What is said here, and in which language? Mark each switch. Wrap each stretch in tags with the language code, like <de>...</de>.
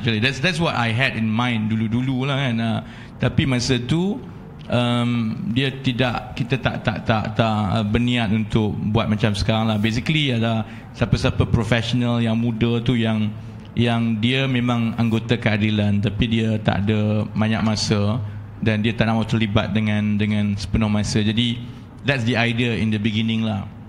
<en>Actually, that's what I had in mind</en> <ms>dulu-dulu lah kan. Tapi masa tu dia tidak, kita tak berniat untuk buat macam sekarang lah. Basically ada siapa-siapa profesional yang muda tu yang dia memang anggota keadilan, tapi dia tak ada banyak masa dan dia tak nak terlibat dengan sepenuh masa.</ms> <en>Jadi that's the idea in the beginning lah.</en>